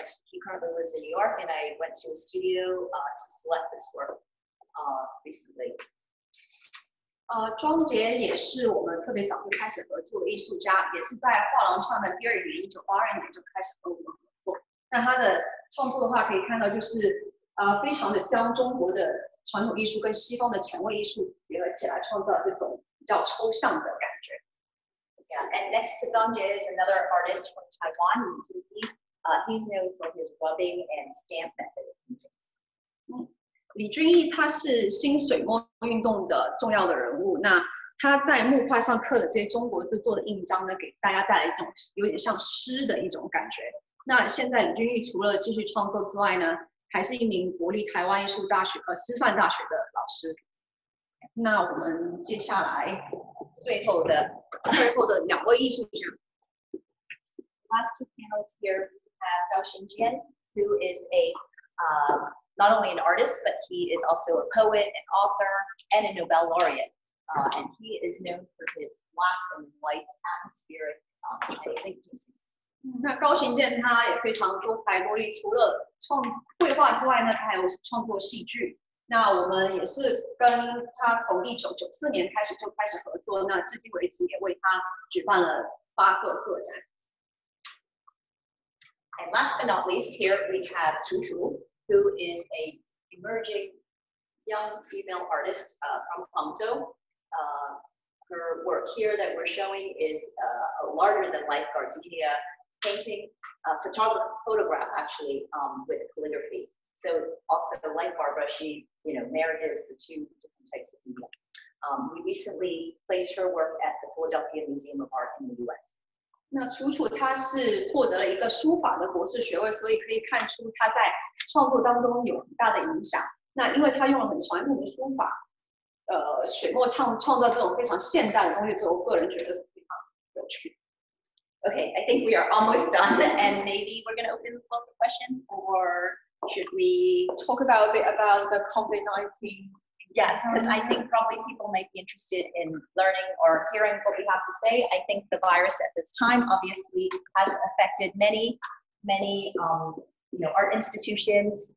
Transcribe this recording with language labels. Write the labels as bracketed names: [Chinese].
[English] He currently lives in New York, and I went to a studio to select this work recently. [Chinese] 庄杰也是我们特别早就开始合作的艺术家，也是在画廊创办第二年，1982年就开始和我们合作。那他的创作的话，可以看到就是非常的将中国的传统艺术跟西方的前卫艺术结合起来，创造这种比较抽象的感觉。 [English] Yeah, and next to Zhang Jie is another artist from Taiwan, Yu Tuyi. He's known for his rubbing and stamp method of paintings. [Chinese] 李俊毅他是新水墨运动的重要的人物。那他在木块上刻的这些中国字做的印章呢，给大家带来一种有点像诗的一种感觉。那现在李俊毅除了继续创作之外呢，还是一名国立台湾艺术大学和师范大学的老师。那我们接下来最后的两位艺术家。 [English] Last two panels here, we have Gao Xinjian, who is a not only an artist, but he is also a poet, an author, and a Nobel laureate. And he is known for his black and white atmospheric Chinese ink paintings. [Chinese] 那高行健他也非常多才多艺，除了创绘画之外呢，他还有创作戏剧。那我们也是跟他从1994年开始就开始合作，那至今为止也为他举办了八个个展。 [English] And last but not least, here we have Zhu Zhu, who is a emerging young female artist from Guangzhou. Her work here that we're showing is a larger than life gardenia painting, photograph actually, with calligraphy. So also like Barbara, she, you know, marries the two different types of media. We recently placed her work at the Philadelphia Museum of Art in the U.S. [Chinese] 那楚楚她是获得了一个书法的博士学位，所以可以看出她在创作当中有很大的影响。那因为她用了很传统的书法，水墨创造这种非常现代的东西，所以我个人觉得非常有趣。 [English] Okay, I think we are almost done, and maybe we're going to open the floor for questions or... Should we talk about a bit about the COVID-19? Yes, because I think probably people might be interested in learning or hearing what we have to say. I think the virus at this time obviously has affected many, many art institutions.